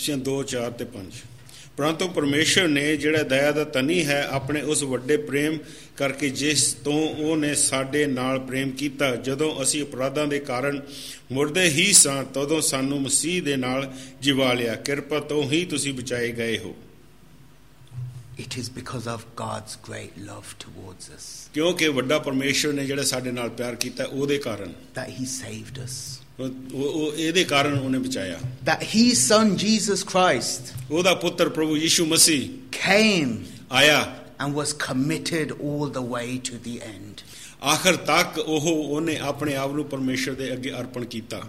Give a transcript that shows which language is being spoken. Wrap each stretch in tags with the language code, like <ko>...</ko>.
<pa>ਅਫਸੀਆਂ 2 4 ਤੇ 5 ਪ੍ਰੰਤੂ ਪਰਮੇਸ਼ਰ ਨੇ ਜਿਹੜਾ ਦਇਆ ਦਾ ਤਨੀ ਹੈ ਆਪਣੇ ਉਸ ਵੱਡੇ ਪ੍ਰੇਮ ਕਰਕੇ ਜਿਸ ਤੋਂ ਉਹਨੇ ਸਾਡੇ ਨਾਲ ਪ੍ਰੇਮ ਕੀਤਾ ਜਦੋਂ ਅਸੀਂ ਅਪਰਾਧਾਂ ਦੇ ਕਾਰਨ ਮੁਰਦੇ ਹੀ ਸਾਂ ਤਦੋਂ ਸਾਨੂੰ ਮਸੀਹ ਦੇ ਨਾਲ ਜਿਵਾ ਲਿਆ ਕਿਰਪਾ ਤੋਂ ਹੀ ਤੁਸੀਂ ਬਚਾਏ ਗਏ ਹੋ</pa> <en>It is because of God's great love towards us.</en> <pa>ਕਿਉਂਕਿ ਵੱਡਾ ਪਰਮੇਸ਼ਰ ਨੇ ਜਿਹੜਾ ਸਾਡੇ ਨਾਲ ਪਿਆਰ ਕੀਤਾ ਉਹਦੇ ਕਾਰਨ</pa> <en>that he saved us.</en> <pa>ਉਹ ਇਹਦੇ ਕਾਰਨ ਉਹਨੇ ਬਚਾਇਆ.</pa> <en>That his son Jesus Christ.</en> <pa>ਉਹਦਾ ਪੁੱਤਰ ਪ੍ਰਭੂ ਯਿਸੂ ਮਸੀਹ</pa> <en>came.</en> <pa>ਆਇਆ.</pa> <en>And was committed all the way to the end.</en> <pa>ਆਖਰ ਤੱਕ ਉਹਨੇ ਆਪਣੇ ਆਪ ਨੂੰ ਪਰਮੇਸ਼ਰ ਦੇ ਅੱਗੇ ਅਰਪਣ ਕੀਤਾ.</pa>